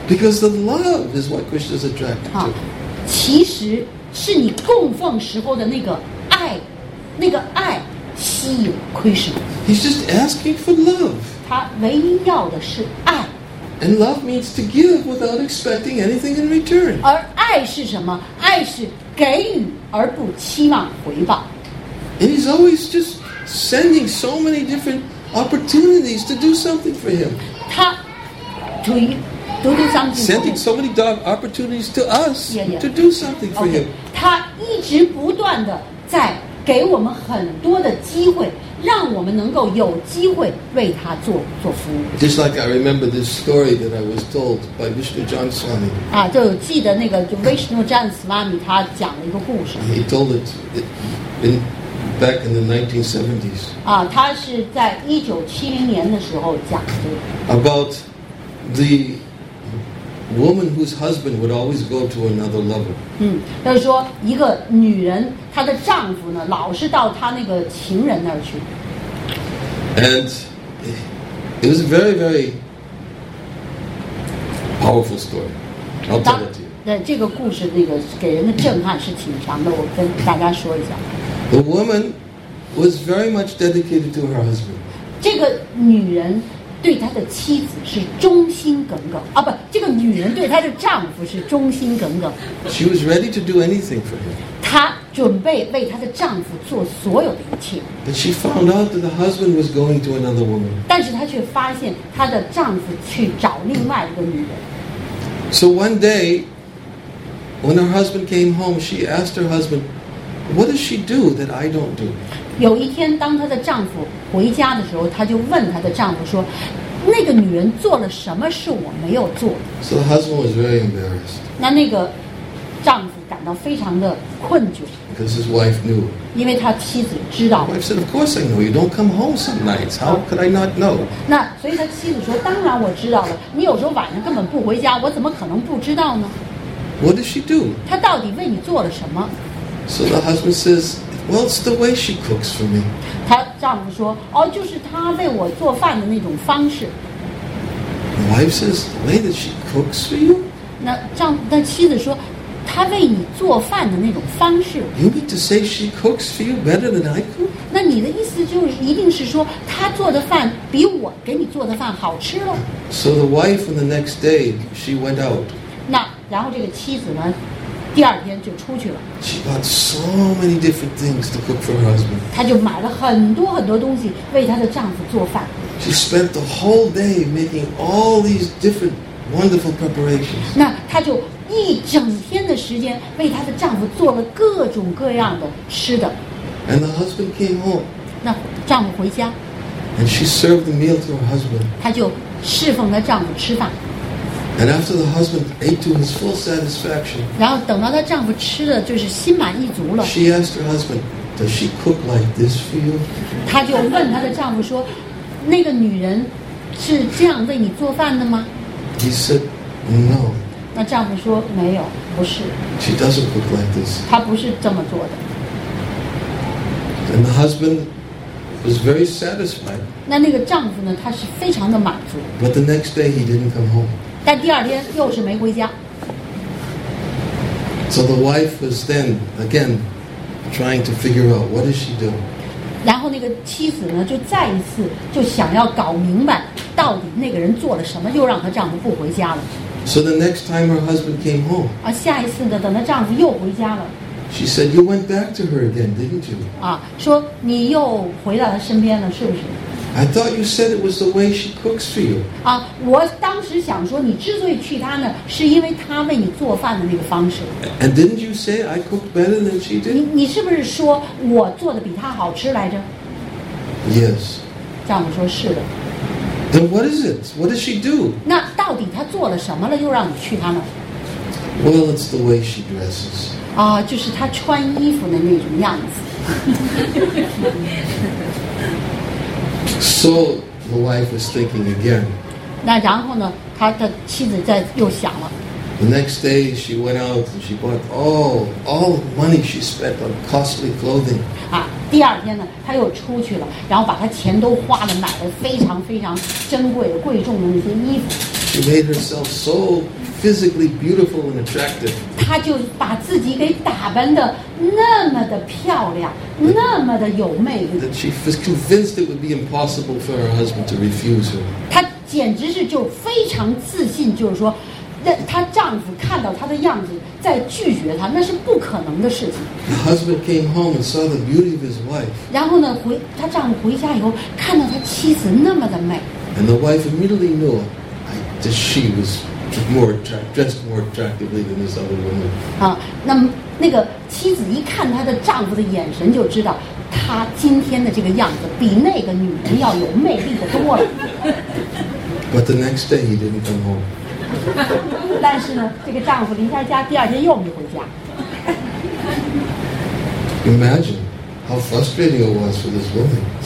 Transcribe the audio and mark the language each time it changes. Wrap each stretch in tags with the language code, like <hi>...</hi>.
<en>Because the love is what Krishna is attracted to.</en> <zh>其实是你供奉时候的那个爱，那个爱。吸引 Krishna.</zh> <en>He's just asking for love.</en> <zh>他唯一要的是爱。</zh> <en>And love means to give without expecting anything in return.</en> <zh>而爱是什么？爱是给予而不期望回报。</zh> <en>And he's always just sending so many different opportunities to do something for him.</en> <zh>他</zh> <en>do something. Sending so many opportunities to us to do something for him.</en> <zh>他一直不断的在给我们很多的机会，让我们能够有机会为他做服务。</zh> <en>Just like I remember this story that I was told by Vishnu John Swami.</en> <zh>啊，就记得那个就 Vishnu John Swami 他讲了一个故事。</zh> <en>He told it back in the 1970s.</en> <zh>啊，他是在1970年的时候讲的。</zh> <en>About the woman whose husband would always go to another lover.</en> <zh>嗯，他说一个女人。她的丈夫呢，老是到她那个情人那儿去。</zh> <en>And it was a very, very powerful story. I'll tell it to you.</en> <zh>那这个故事那个给人的震撼是挺强的，我跟大家说一下。</zh> <en>The woman was very much dedicated to her husband.</en> <zh>这个女人对她的妻子是忠心耿耿啊，不，这个女人对她的丈夫是忠心耿耿。</zh> <en>She was ready to do anything for him.</en> <zh>她准备为她的丈夫做所有的一切。</zh> <en>But she found out that the husband was going to another woman.</en> <zh>但是她却发现她的丈夫去找另外一个女人。</zh> <en>So one day, when her husband came home, she asked her husband, "What does she do that I don't do?"</en> <zh>有一天，当她的丈夫回家的时候，她就问她的丈夫说：“那个女人做了什么是我没有做的？”</zh> <en>So the husband was very embarrassed.</en> <zh>那那个丈夫感到非常的困窘。</zh> <en>Because his wife knew.</en> <zh>因为他妻子知道。</zh> <en>Wife said, "Of course I know. You don't come home some nights. How could I not know?"</en> <zh>那所以他妻子说：“当然我知道了。你有时候晚上根本不回家，我怎么可能不知道呢？”</zh> <en>What does she do?</en> <zh>她到底为你做了什么？</zh> <en>So the husband says, "Well, it's the way she cooks for me."</en> <zh>她丈夫说：“哦，就是她为我做饭的那种方式。”</zh> <en>The wife says, "The way that she cooks for you?"</en> <zh>那丈夫，那妻子说。她为你做饭的那种方式。</zh> <en>You mean to say she cooks for you better than I cook?</en> <zh>那你的意思就是一定是说她做的饭比我给你做的饭好吃了。</zh> <en>So the wife on the next day she went out.</en> <zh>那然后这个妻子呢，第二天就出去了。</zh> <en>She bought so many different things to cook for her husband.</en> <zh>她就买了很多很多东西为她的丈夫做饭。</zh> <en>She spent the whole day making all these different wonderful preparations.</en> <zh>那她就。一整天的时间为她的丈夫做了各种各样的吃的。</zh> <en>And the husband came home.</en> <zh>那丈夫回家。</zh> <en>And she served the meal to her husband.</en> <zh>她就侍奉她丈夫吃饭。</zh> <en>And after the husband ate to his full satisfaction.</en> <zh>然后等到她丈夫吃的就是心满意足了。</zh> <en>She asked her husband, "Does she cook like this for you?"</en> <zh>她就问她的丈夫说，那个女人是这样为你做饭的吗？</zh> <en>He said, "No."</en> <zh>那丈夫说没有，不是。</zh> <en>She doesn't cook like this.</en> <zh>她不是这么做的。</zh> <en>And the husband was very satisfied.</en> <zh>那个丈夫呢？他是非常的满足。</zh> <en>But the next day he didn't come home.</en> <zh>但第二天又是没回家。</zh> <en>So the wife was then again trying to figure out what is she doing.</en> <zh>然后那个妻子呢，就再一次就想要搞明白到底那个人做了什么，又让她丈夫不回家了。</zh> <en>So the next time her husband came home,</en> <zh>啊，下一次呢，等她丈夫又回家了。</zh> <en>She said, "You went back to her again, didn't you?"</en> <zh>啊，说你又回到她身边了，是不是</zh> <en>？I thought you said it was the way she cooks for you.</en> <zh>啊，我当时想说，你之所以去她那，是因为她为你做饭的那个方式。</zh> <en>And didn't you say I cooked better than she did?</en> <zh>你是不是说我做的比她好吃来着</zh> <en>？Yes.</en> <zh>丈夫说是的。</zh> <en>Then what is it? What does she do?</en> <zh>那到底她做了什么了，又让你去她那</zh> <en>？Well, it's the way she dresses.</en> <zh>啊，就是她穿衣服的那种样子。</zh> <en>So the wife was thinking again.</en> <zh>那然后呢？她的妻子在又想了。</zh> <en>The next day, she went out and she bought all the money she spent on costly clothing.</en> <zh>啊，第二天呢，她又出去了，然后把她钱都花了，买了非常非常珍贵的、贵重的那些衣服。</zh> <en>She made herself so physically beautiful and attractive.</en> <zh>她就把自己给打扮的那么的漂亮，那么的有魅力。</zh> <en>That she was convinced it would be impossible for her husband to refuse her.</en> <zh>她简直是就非常自信，就是说。她丈夫看到她的样子在拒绝她，那是不可能的事情。</zh> <en>The husband came home and saw the beauty of his wife.</en> <zh>然后呢，她丈夫回家以后看到她妻子那么的美。</zh> <en>And the wife immediately knew that she was dressed more attractively than this other woman.</en> <zh>啊，那那个妻子一看她的丈夫的眼神就知道她今天的这个样子比那个女人要有魅力的多了。</zh> <en>But the next day he didn't come home.</en> <zh>但是呢，这个丈夫离开家，第二天又没回家。</zh> <en>Imagine how frustrating it was for this woman.</en>